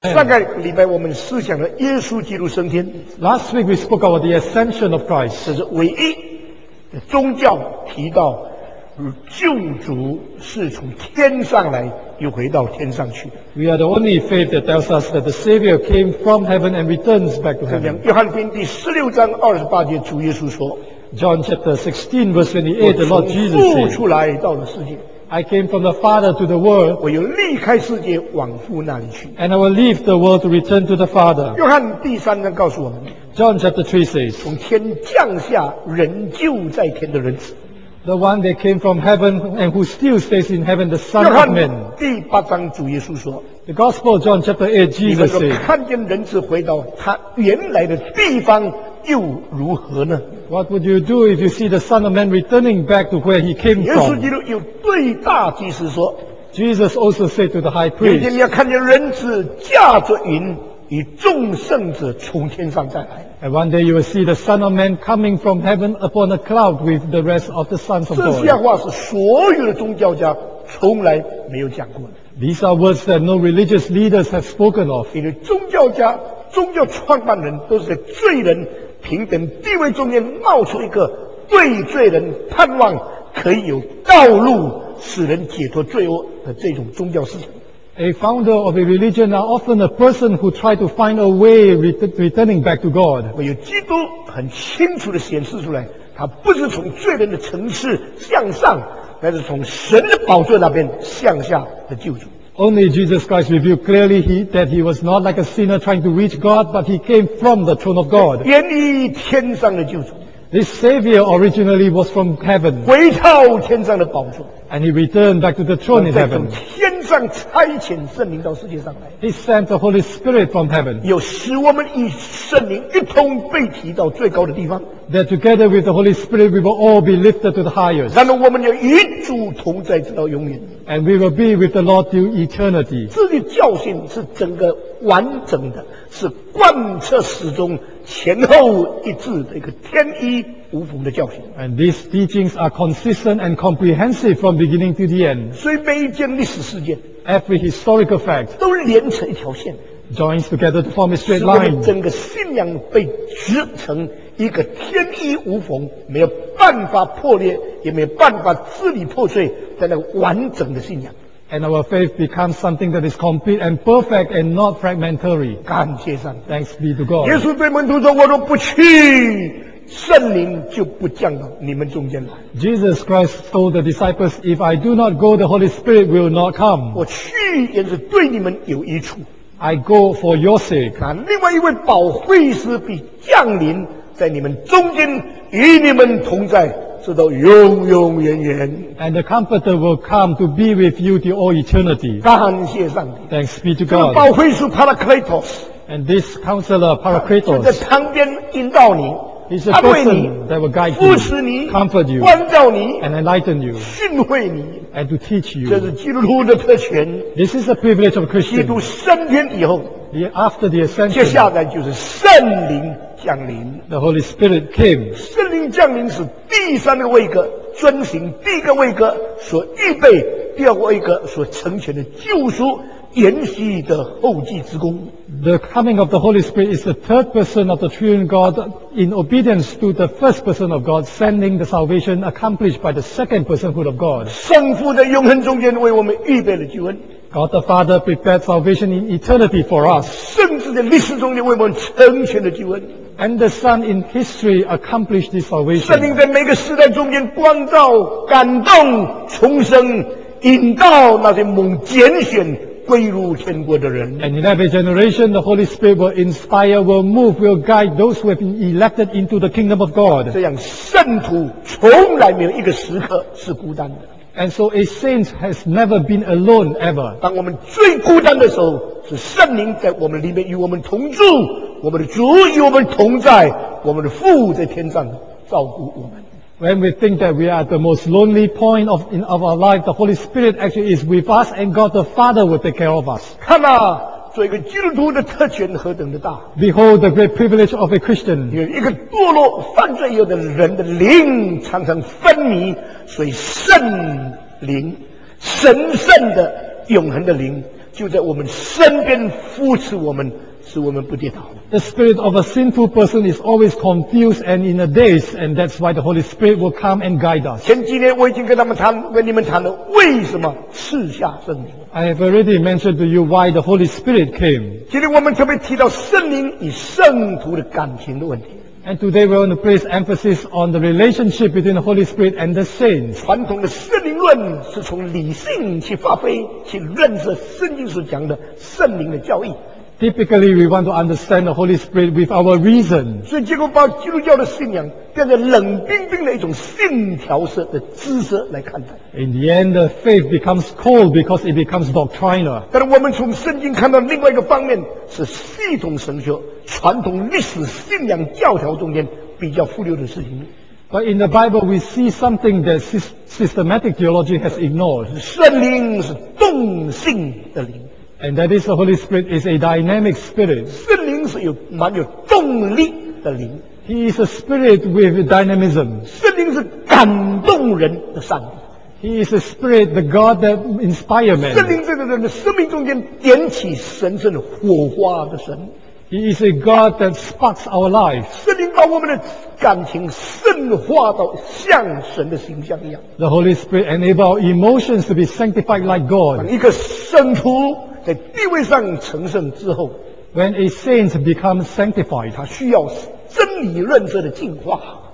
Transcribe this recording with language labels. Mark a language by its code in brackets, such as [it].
[zh] 大概礼拜我们思想了耶稣基督升天。 [en] Last week we spoke about the ascension of Christ. [zh] 这是唯一宗教提到救主是从天上来，又回到天上去。 [en] We are the only faith that tells us that the Savior came from heaven and returns back to heaven. [zh] 约翰福音第十六章二十八节，主耶稣说 [en] ，John chapter 16 verse 28, the Lord Jesus said, [zh] 我从父出来到了世界。 [en] I came from the Father to the world. [zh] 我又离开世界往父那里去。 [en] And I will leave the world to return to the Father. [zh] 约翰第三章告诉我们 [en] ，John chapter 3 says, [zh] 从天降下仍旧在天的人子。 [en] The one that came from heaven and who still stays in heaven, the Son of Man. [zh] 约翰第八章主耶稣说 [en] ，The Gospel of John chapter 8, Jesus said, [zh] 你们说看见人子回到他原来的地方。又如何呢 [en] ？What would you do if you see the Son of Man returning back to where he came from？ [zh] 耶稣基督又对大祭司说 [en] ，Jesus also said to the high priest， [zh] 有一天你要看见人子驾着云，与众圣者从天上再来。 [en] And one day you will see the Son of Man coming from heaven upon a cloud with the rest of the sons of God。 [zh] 这些话是所有的宗教家从来没有讲过的。 [en] These are words that no religious leaders have spoken of。 [zh] 因为宗教家。宗教创办人都是在罪人平等地位中间冒出一个对罪人盼望可以有道路使人解脱罪恶的这种宗教思想。 [en] A founder of a religion are often a person who try to find a way returning back to God. [zh] 唯有基督很清楚地显示出来，他不是从罪人的层次向上，而是从神的宝座那边向下的救主。 [en] Only Jesus Christ revealed clearly that he was not like a sinner trying to reach God, but he came from the throne of God. [zh] 源于天上的救主。 [en] This Savior originally was from heaven. [zh] 回到天上的宝座。 [en] And he returned back to the throne in heaven. [zh] 在天上差遣圣灵到世界上来。 [en] He sent the Holy Spirit from heaven. [zh] 有使我们与圣灵一同被提到最高的地方。 [en] That together with the Holy Spirit, we will all be lifted to the highest. [zh] 然后我们要与主同在直到永远。 [en] And we will be with the Lord till eternity. [zh] 这些教训是整个完整的，是贯彻始终、前后一致的一个天衣无缝的教训。 [en] And these teachings are consistent and comprehensive from beginning to the end. [zh] 所以每一件历史事件 [en] ，every historical fact， [zh] 都连成一条线 [en] ，joins together to form a straight line， [zh] 使整个信仰被织成。一个天衣无缝，没有办法破裂，也没有办法支离破碎，在那个完整的信仰。 [en] And our faith becomes something that is complete and perfect and not fragmentary. [zh] 感谢上帝。 [en] Thanks be to God. [zh] 耶稣对门徒说：“我若不去，圣灵就不降到你们中间来。” [en] Jesus Christ told the disciples, "If I do not go, the Holy Spirit will not come." [zh] 我去也是对你们有益处。 [en] I go for your sake. [zh] 那另外一位保惠师必降临。在你们中间与你们同在直到永永远远。 [en] And the Comforter will come to be with you to all eternity. [zh] 感谢上帝。 [en] Thanks be to God. [zh] 这个保惠师 Paracletos [en] And this counselor Paracletos [zh] 在旁边引导你，他对你 [en] He's a person that will guide you, [zh] 扶持你 [en] comfort you, [zh] 关照你 [en] and enlighten you, [zh] 训诲你 [en] and to teach you. [zh] 这是基督徒的特权。 [en] This is the privilege of a Christian. [zh] 基督升天以后 [en] after the ascension, [zh] 接下来就是圣灵降临。 [en] The Holy Spirit came. [zh] 圣灵降临是第三个位格，遵循第一个位格所预备，第二个位格所成全的救赎延续的后继之功。 [en] The coming of the Holy Spirit is the third person of the triune God in obedience to the first person of God, sending the salvation accomplished by the second personhood of God. [zh] 圣父在永恒中间为我们预备了救恩。 [en] God the Father prepared salvation in eternity for us. [zh] 甚至在历史中间为我们成全了救恩。 [en] And the Son in history accomplished this salvation. [zh] 圣灵在每个时代中间光照、感动、重生、引导那些蒙拣选。归入天国的人。 [en] And in every generation, the Holy Spirit will inspire, will move, will guide those who have been elected into the kingdom of God. [zh] 这样圣徒从来没有一个时刻是孤单的。 [en] And so a saint has never been alone ever. [zh] 当我们最孤单的时候，是圣灵在我们里面与我们同住，我们的主与我们同在，我们的父在天上照顾我们。 [en] When we think that we are at the most lonely point of our life, the Holy Spirit actually is with us and God the Father will take care of us. [zh] 看啊，做一个基督徒的特权何等的大。 [en] Behold the great privilege of a Christian. [zh] 有一个堕落犯罪以后的人的灵常常昏迷，所以圣灵，神圣的永恒的灵就在我们身边扶持我们，使我们不跌倒。 [en] The spirit of a sinful person is always confused and in a daze, and that's why the Holy Spirit will come and guide us. [zh] 前几年我已经跟他们谈，跟你们谈了，为什么赐下圣灵。 [en] I have already mentioned to you why the Holy Spirit came. [zh] 今天我们特别提到圣灵与圣徒的感情的问题。 [en] And today we want to place emphasis on the relationship between the Holy Spirit and the saints. [zh] 传统的圣灵论是从理性去发挥，去认识圣经所讲的圣灵的教义。 [en] Typically, we want to understand the Holy Spirit with our reason. [zh] 所以结果把基督教的信仰变成冷冰冰的一种信条式的知识来看待。 [en] In the end, the faith becomes cold because it becomes doctrinal. [zh] 但我们从圣经看到另外一个方面是系统神学，传统历史信仰教条中间比较忽略的事情。 [en] But in the Bible, we see something that systematic theology has ignored. [zh] 圣灵是动性的灵。 [en] And that is the Holy Spirit is a dynamic spirit. [zh] 圣灵是有蛮有动力的灵。 [en] He is a spirit with dynamism. [zh] 圣灵是感动人的上帝。 [en] He is a spirit, the God that inspires men. [zh] 圣灵在人的生命中间点起神圣火花的神。 [en] He is a God that sparks our life. [zh] 圣灵把我们的感情圣化到像神的形象一样。 [en] The Holy Spirit enables our emotions to be sanctified like God. [zh] 一个圣徒在地位上成圣之后 [en] ，When a saint becomes sanctified， [zh] 他需要真理认识的进化。